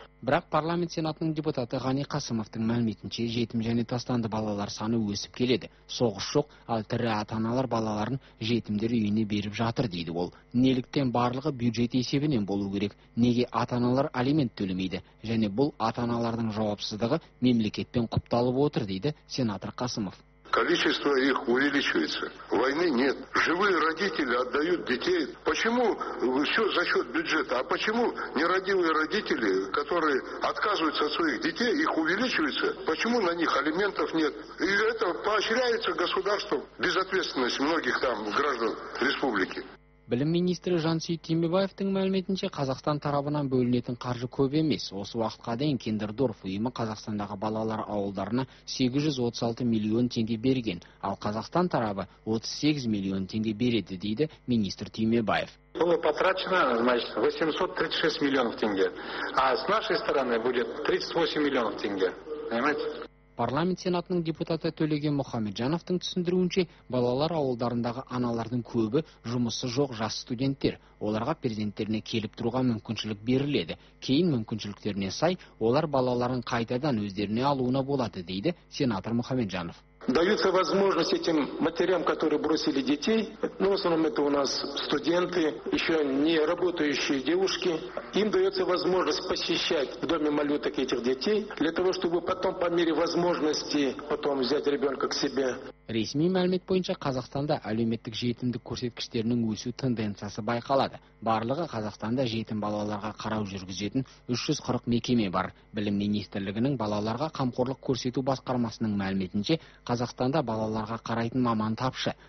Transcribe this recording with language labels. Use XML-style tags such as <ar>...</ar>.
<kk>Бірақ парламент сенатының депутаты Ғани Қасымовтың мәліметінше жетім және тастанды балалар саны өсіп келеді. Соғыс жоқ, ал тірі ата-аналар балаларын жетімдер үйіне беріп жатыр дейді ол. Неліктен барлығы бюджет есебінен болу керек? Неге ата-аналар алимент төлемейді? Және бұл ата-аналардың жауапсыздығы мемлекетпен құпталып отыр дейді сенатор Қасымов.</kk> <ru>Количество их увеличивается. Войны нет. Живые родители отдают детей. Почему все за счет бюджета? А почему нерадивые родители, которые отказываются от своих детей, их увеличивается? Почему на них алиментов нет? И это поощряется государством. Безответственность многих там граждан республики.</ru> <kk>Білім министрі Жансүйіт Түймебаевтың мәліметінше Қазақстан тарабынан бөлінетін қаржы көп емес. Осы уақытқа дейін Kinderdorf ұйымы Қазақстандағы балалар ауылдарына 836 миллион теңге берген, ал Қазақстан тарабы 38 миллион теңге береді дейді министр Түймебаев.</kk> <ru>Было потрачено, значит, 836 миллионов теңге, а с нашей стороны будет 38 миллионов теңге. Понимаете?</ru> <kk>Парламент сенатының депутаты Төлеген Мұхамеджановтың түсіндіруінше, балалар ауылдарындағы аналардың көбі жұмысы жоқ жас студенттер. Оларға перзенттеріне келіп тұруға мүмкіншілік беріледі. Кейін мүмкіншіліктеріне сай, олар балаларын қайтадан өздеріне алуына болады, дейді сенатор Мұхамеджанов.</kk> <ru>Дается возможность этим матерям, которые бросили детей, ну, в основном это у нас студенты, еще не работающие девушки, им дается возможность посещать в доме малюток этих детей, для того, чтобы потом по мере возможности потом взять ребенка к себе.</ru> <kk>Ресми мәлімет бойынша Қазақстанда әлеуметтік жетімдік көрсеткіштерінің өсу тенденциясы байқалады. Барлығы Қазақстанда жетім балаларға қарау жүргізетін 340 мекеме бар. Білім министрлігінің балаларға қамқорлық көрсету басқармасының мәліметінше, Қазақстанда балаларға қарайтын маман тапшы.</kk>